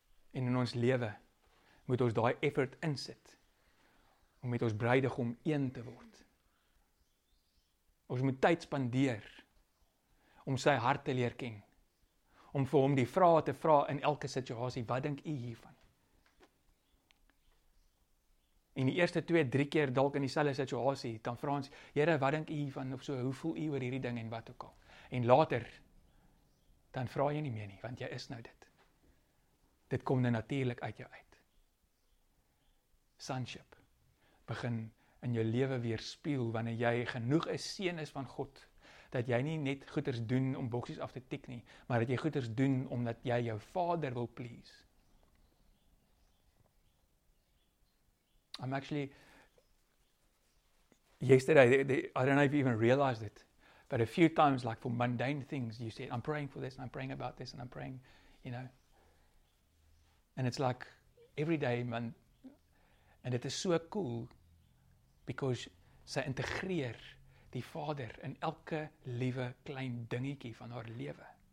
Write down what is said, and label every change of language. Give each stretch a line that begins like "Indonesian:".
Afrikaans: En in ons lewe moet ons daai effort insit om met ons bruidegom een te word. Ons moet tyd spandeer om sy hart te leer ken, om vir hom die vrae te vra in elke situasie, wat dink u hiervan? In die eerste 2-3 keer dalk in dieselfde situasie, dan vra ons, Here, wat dink u van of so, hoe voel u oor hierdie ding en wat ook al? En later, dan vra jy nie meer nie, want jy is nou dit. Dit kom nou natuurlik uit jou uit. Sonship begin in jou lewe weer speel, wanneer jy genoeg is seën is van God, dat jy nie net goeders doen om boksies af te tik nie, maar dat jy goeders doen omdat jy jou vader wil please.
English: I'm actually, yesterday, I don't know if you even realized it, but a few times, like for mundane things, you said, I'm praying for this, and I'm praying about this, and I'm praying, you know. And it's like, every day, man, and it is so cool, because sy integreer die vader in elke liewe klein dingetjie van haar lewe.